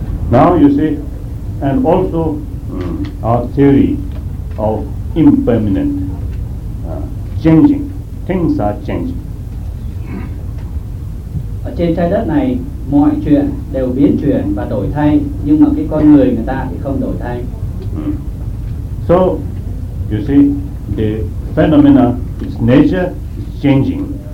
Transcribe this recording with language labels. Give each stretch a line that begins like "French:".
English: Now you see, and also our theory of impermanent, changing, things are changing.
Vietnamese: Ở trên trái đất này, mọi chuyện đều biến chuyển và đổi thay, nhưng mà cái con người người ta thì không đổi thay.
English: So, you see, the phenomena, its nature is changing.